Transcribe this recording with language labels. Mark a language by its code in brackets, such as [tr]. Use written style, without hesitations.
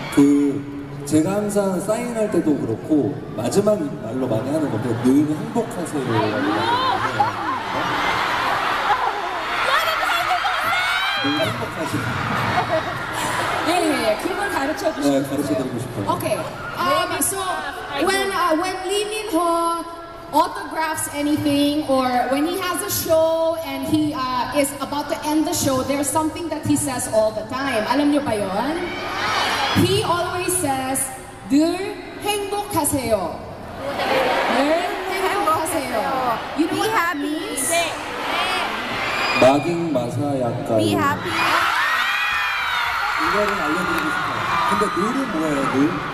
[ko] 그 제가 항상 사인할 때도 그렇고 마지막 말로 많이 하는 건데 늘 행복하세요. 너는 행복하세요. 늘 행복하세요. 예, 그걸 가르쳐 주시면. 네, 가르쳐드리고 싶어요. [en] Okay. So when Lee Min Ho autographs anything or when he has a show and he is about to end the show there's something that he says all the time [tl] alam niyo ba yon [en] he always says [ko] 늘 행복하세요 늘 행복하세요 [en] you know what that means [tl] 마깅 마사야카 [en] be happy [ko] 이거를 알려드리고 싶어요 근데 늘은 뭐예요 늘